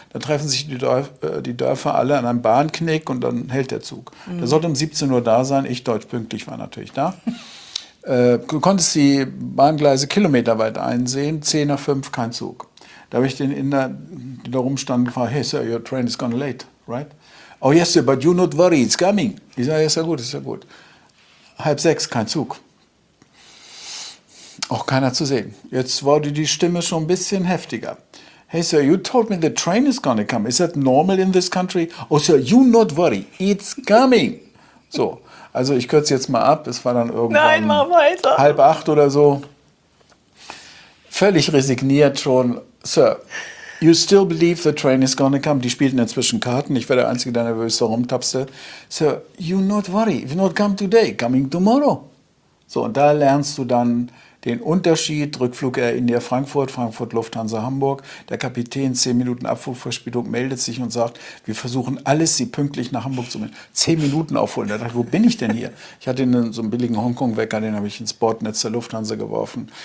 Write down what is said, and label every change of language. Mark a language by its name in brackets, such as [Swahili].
[German] Da treffen sich die Dörfer alle an einem Bahnknick und dann hält der Zug. Mhm. Der sollte um 17 Uhr da sein, ich deutsch pünktlich war natürlich da. Du konntest die Bahngleise kilometerweit einsehen, 10 nach 5, kein Zug. Da habe ich den Inder, der da rumstand, gefragt, [English] hey, sir, your train is gone late, right? Oh, yes, sir, but you not worry, it's coming. [German] Ich sage, ist ja gut. 5:30, kein Zug. Auch keiner zu sehen. Jetzt wurde die Stimme schon ein bisschen heftiger. [English] Hey, sir, you told me the train is gonna come. Is that normal in this country? Oh, sir, you not worry, it's coming. [German] So. Also ich kürze jetzt mal ab, es war dann irgendwann 7:30 oder so. Völlig resigniert schon, Sir, [English] You still believe the train is gonna come. [German] Die spielten inzwischen Karten. Ich war der Einzige, der nervös herumtapste. [English] So, you not worry. If not come today, coming tomorrow. [German] So, und da lernst du dann den Unterschied. Rückflug Air India Frankfurt, Frankfurt Lufthansa Hamburg. Der Kapitän, 10 Minuten Abflugverspätung, meldet sich und sagt, wir versuchen alles, sie pünktlich nach Hamburg zu bringen. 10 Minuten aufholen. Da dachte ich, wo bin ich denn hier? Ich hatte einen, so einen billigen Hongkong-Wecker, den habe ich ins Bordnetz der Lufthansa geworfen.